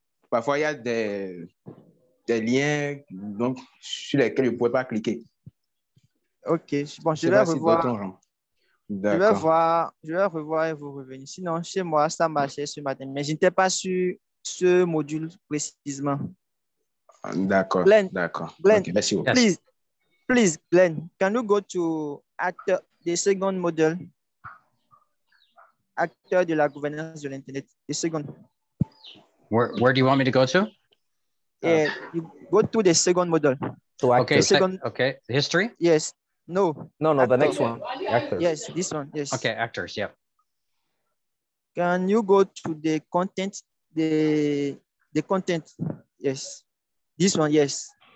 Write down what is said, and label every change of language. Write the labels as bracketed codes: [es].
[fr] Parfois, il y a des liens donc, sur lesquels je ne pouvais pas cliquer. OK. Bon, je vais revoir. Je vais revoir et vous revenir. Sinon, chez moi, ça marchait ce matin. Mais je n'étais pas sur ce module précisément. D'accord. Glenn, okay, merci. [en] Please, Glenn, can you go to the second model? [fr] Acteur de la gouvernance de l'Internet. [en] The second. Where do you want me to go to? You go to the second model. So okay, okay. History? Yes. No. No, actors. The next one. Actors. Yes, this one. Yes. Okay, actors, yeah. Can you go to the content? The content, yes. This one, yes.